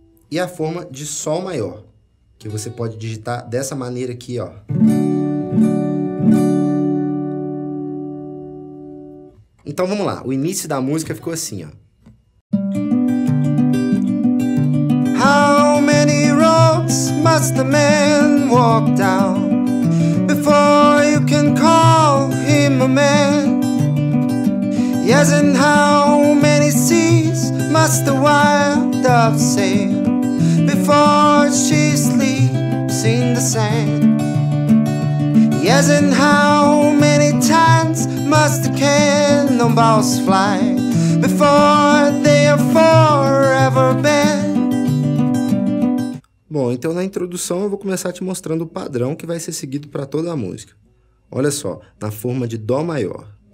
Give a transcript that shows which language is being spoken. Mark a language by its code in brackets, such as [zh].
[pt] E a forma de Sol maior, que você pode digitar dessa maneira aqui, ó. Então vamos lá, o início da música ficou assim, ó. [en] How many roads must a man walk down before you can call him a man? Yes, and how many seas must the wild dove sail before she sleeps in the sand? Yes, and how many times must the cannonballs fly before they are forever banned? [pt] Bom, então na introdução eu vou começar te mostrando o padrão que vai ser seguido para toda a música. Olha só, na forma de Dó maior.